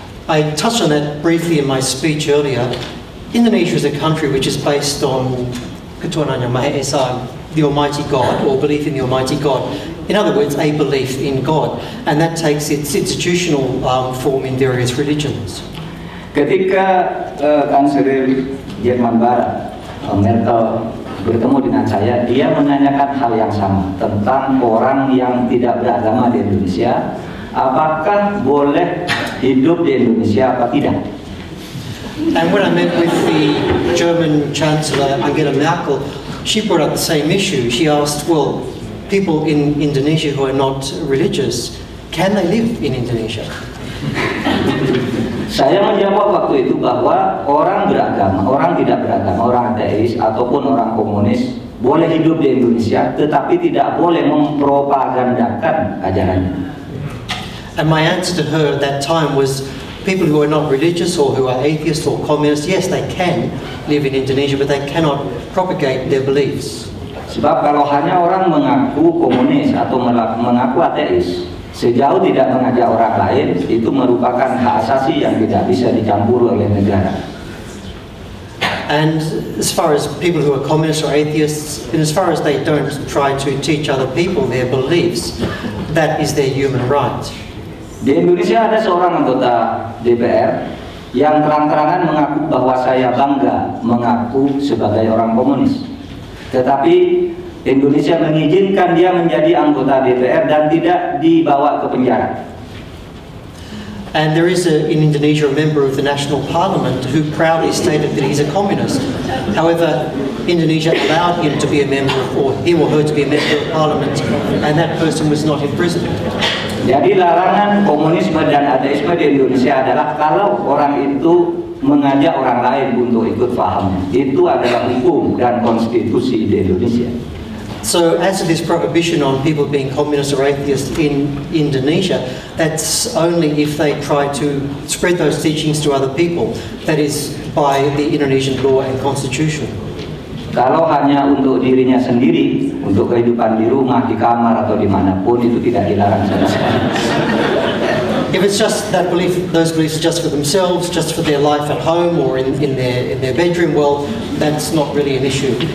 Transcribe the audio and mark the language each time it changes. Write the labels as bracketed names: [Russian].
[English] I touched on that briefly in my speech earlier. Indonesia is a country which is based on [Indonesian] ketuhanan yang maha esa, [English] the Almighty God, or belief in the Almighty God. In other words, a belief in God, and that takes its institutional form in various religions. [Indonesian] Ketika Kanselir Jerman Barat Merkel bertemu dengan saya, dia menanyakan hal yang sama tentang orang yang tidak beragama di Indonesia, apakah boleh hidup di Indonesia atau tidak? [English] And when I met with the German Chancellor Angela Merkel, she brought up the same issue. She asked, well, people in Indonesia who are not religious, can they live in Indonesia? [Indonesian] Saya menjawab waktu itu bahwa orang beragama, orang tidak beragama, orang ateis ataupun orang komunis boleh hidup di Indonesia, tetapi tidak boleh mempropagandakan ajarannya. [English] And my answer to her at that time was, people who are not religious or who are atheists or communists, yes, they can live in Indonesia, but they cannot propagate their beliefs. [Indonesian] Sebab kalau hanya orang mengaku komunis atau mengaku ateis, sejauh tidak mengajak orang lain, itu merupakan hak asasi yang tidak bisa dicampur oleh negara. [English] And as far as people who are communists or atheists, and as far as they don't try to teach other people their beliefs, that is their human right. [Indonesian] Di Indonesia ada seorang anggota DPR yang terang-terangan mengaku bahwa saya bangga mengaku sebagai orang komunis. Tetapi Indonesia mengizinkan dia menjadi anggota DPR dan tidak dibawa ke penjara. [English] And there is in Indonesia a member of the National Parliament who proudly stated that he's a communist. However, Indonesia allowed him to be a member, or him or her to be a member of Parliament, and that person was not imprisoned. [Indonesian] Jadi larangan komunisme dan ateisme di Indonesia adalah kalau orang itu mengajak orang lain untuk ikut paham. Itu adalah hukum dan konstitusi di Indonesia. [English] So as to this prohibition on people being communist or atheist in Indonesia, that's only if they try to spread those teachings to other people, that is by the Indonesian law and constitution. [Indonesian] Kalau hanya untuk dirinya sendiri, untuk kehidupan di rumah, di kamar, atau dimanapun, itu tidak dilarang sama sekali. [English] If it's just that belief, those beliefs are just for themselves, just for their life at home or in their bedroom, well, that's not really an issue.